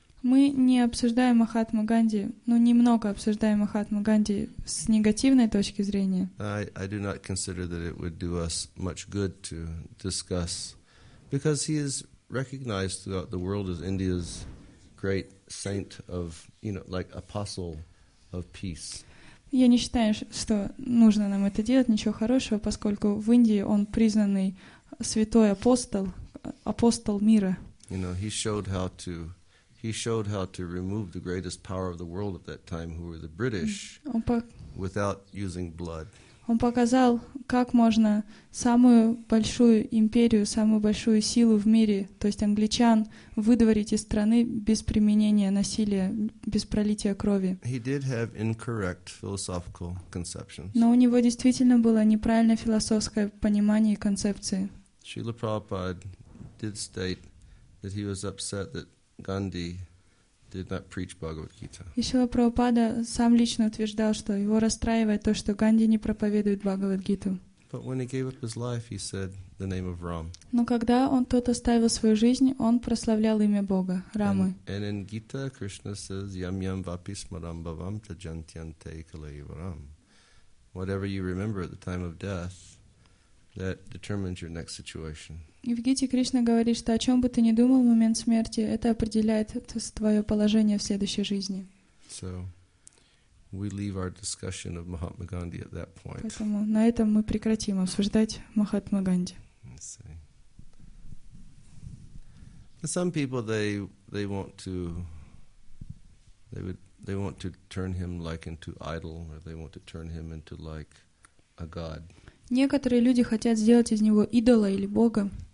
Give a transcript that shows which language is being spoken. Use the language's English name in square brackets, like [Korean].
[Russian] Мы не обсуждаем Махатму Ганди, но немного обсуждаем Махатму Ганди с негативной точки зрения. [English] I do not consider that it would do us much good to discuss, because he is recognized throughout the world as India's great saint of, you know, like apostle of peace. [Russian] Я не считаю, что нужно нам это делать, ничего хорошего, поскольку в Индии он признанный святой апостол, апостол мира. [English] You know, he showed how to remove the greatest power of the world at that time, who were the British, without using blood. [Russian] Он показал, как можно самую большую империю, самую большую силу в мире, то есть англичан, выдворить из страны без применения насилия, без пролития крови. [English] He did have incorrect philosophical conceptions. [Russian] Но у него действительно было неправильное философское понимание и концепции. [English] Srila Prabhupada did state that he was upset that Ганди did not preach Bhagavad Gita. [Russian] Ишила Прабхупада сам лично утверждал, что его расстраивает то, что Ганди не проповедует Бхагавад Гиту. [English] But when he gave up his life, he said the name of Ram. [Russian] Но когда он тот оставил свою жизнь, он прославлял имя Бога, Рамы. [English] And in Gita, Krishna says, [Sanskrit] Yam yam vapi smaram bhavam tajantyante kalayivaram. [English] Whatever you remember at the time of death, that determines your next situation. [Russian] И в Гите Кришна говорит, что о чем бы ты ни думал в момент смерти, это определяет твое положение в следующей жизни. [English] So, we leave our discussion of Mahatma Gandhi at that point. [Russian] Поэтому на этом мы прекратим обсуждать Махатму Ганди. [English] Some people they want to turn him like into idol, or they want to turn him into like a god. [Russian] Некоторые люди хотят сделать из него идола или бога.